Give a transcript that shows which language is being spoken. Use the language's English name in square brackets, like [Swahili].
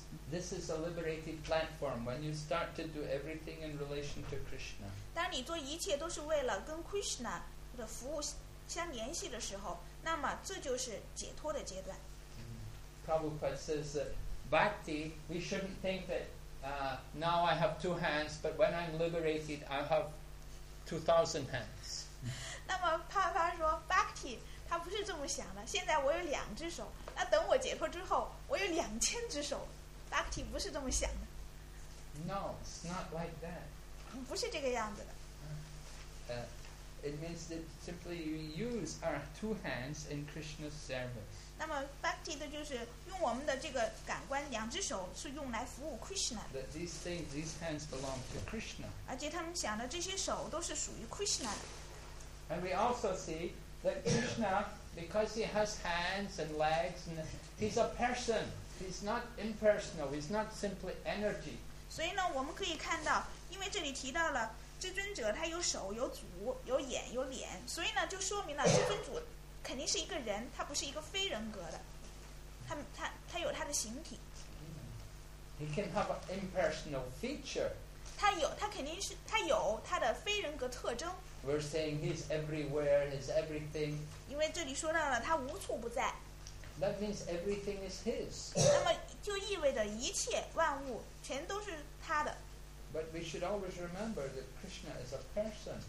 [English] This is a liberated platform when you start to do everything in relation to Krishna. [Chinese] 当你做一切都是为了跟 Krishna 的服务相联系的时候，那么这就是解脱的阶段。 [English] Prabhupada says that bhakti, we shouldn't think that now I have two hands, but when I'm liberated, I have 2,000 hands. [Chinese] 那么帕帕说 bhakti, 他不是这么想的。现在我有两只手，那等我解脱之后，我有2,000只手。 Bhakti 不是这么想的。 [English] No, it's not like that. [Chinese] 不是这个样子的。 [English] It means that simply we use our two hands in Krishna's service. [Chinese] 那么 Bhakti 的就是用我们的这个感官，两只手是用来服务 Krishna。 [English] That these things, these hands belong to Krishna. [Chinese] 而且他们想的这些手都是属于 Krishna。 [English] And we also see that Krishna, because he has hands and legs, and he's a person. He's not impersonal. He's not simply energy. [Chinese] 所以呢，我们可以看到，因为这里提到了。至尊者他有手有足有眼有脸，所以呢就说明了至尊主肯定是一个人，他不是一个非人格的，他有他的形体。 [English] He can have an impersonal feature. [Chinese] 他肯定有他的非人格特征。 [English] We're saying he's everywhere, he's everything. [Chinese] 因为这里说到了他无处不在。 That means everything is his. 那么就意味着一切万物全都是他的。 [English] But we should always remember that Krishna is a person.